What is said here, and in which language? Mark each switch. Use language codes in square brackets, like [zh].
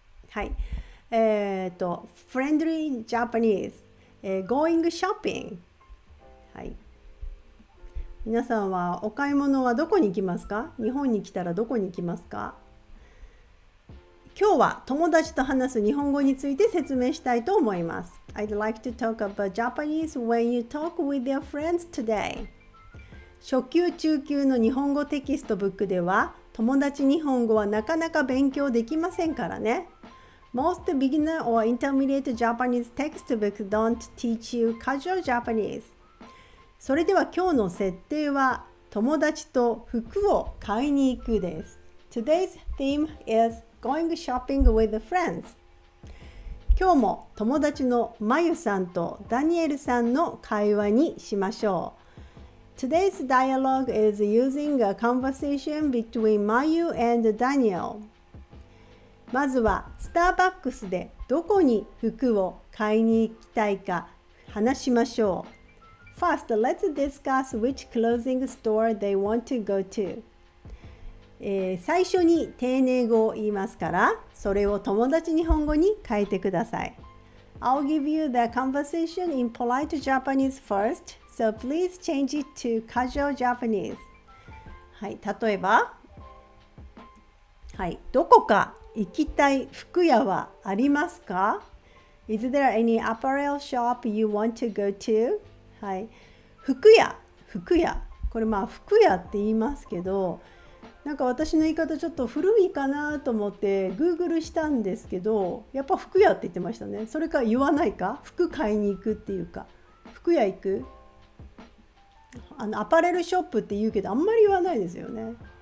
[en] はい。Friendly Japanese、Going shopping。 はい。 [ja] 皆さんはお買い物はどこに行きますか？日本に来たらどこに行きますか？今日は友達と話す日本語について説明したいと思います。 [en] I'd like to talk about Japanese when you talk with your friends today. [ja] 初級中級の日本語テキストブックでは、友達日本語はなかなか勉強できませんからね。 [en] Most beginner or intermediate Japanese textbooks don't teach you casual Japanese. [ja] それでは今日の設定は友達と服を買いに行くです。 [en] Today's theme is going shopping with friends. [ja] 今日も友達のまゆさんとダニエルさんの会話にしましょう。 [en] Today's dialogue is using a conversation between Mayu and Daniel. [ja] まずはスターバックスでどこに服を買いに行きたいか話しましょう。 [en] First, let's discuss which clothing store they want to go to.、 [ja] 最初に丁寧語を言いますから、それを友達日本語に変えてください。 [en] I'll give you the conversation in polite Japanese first, so please change it to casual Japanese. [ja] はい、例えば、はい、どこか行きたい服屋はありますか？ [en] Is there any apparel shop you want to go to? [ja] はい、服屋これまあ服屋って言いますけど、なんか私の言い方ちょっと古いかなと思って Google したんですけど、やっぱ服屋って言ってましたね。それか言わないか、服買いに行くっていうか、服屋行く、あのアパレルショップって言うけどあんまり言わないですよね。